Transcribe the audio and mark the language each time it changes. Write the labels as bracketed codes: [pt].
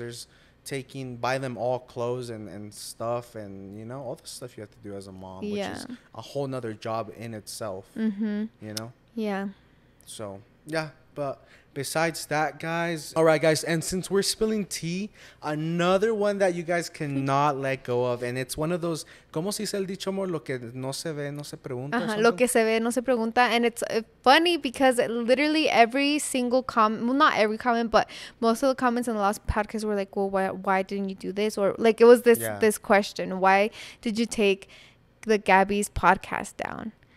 [en] There's taking, buy them all clothes and stuff, and, you know, all the stuff you have to do as a mom, which is a whole nother job in itself. Mm-hmm. You know? Yeah. So, yeah, but besides that, guys. All right, guys. And since we're spilling tea, another one that you guys cannot let go of. And it's one of those, [es] ¿cómo se dice el dicho, amor? Lo que no se ve, no se pregunta. Uh-huh. Lo que se ve, no se pregunta. [en] And it's funny because literally every single comment, well, not every comment, but most of the comments in the last podcast were like, well, why didn't you do this? Or like, it was this question. Why did you take the Gabby's podcast down?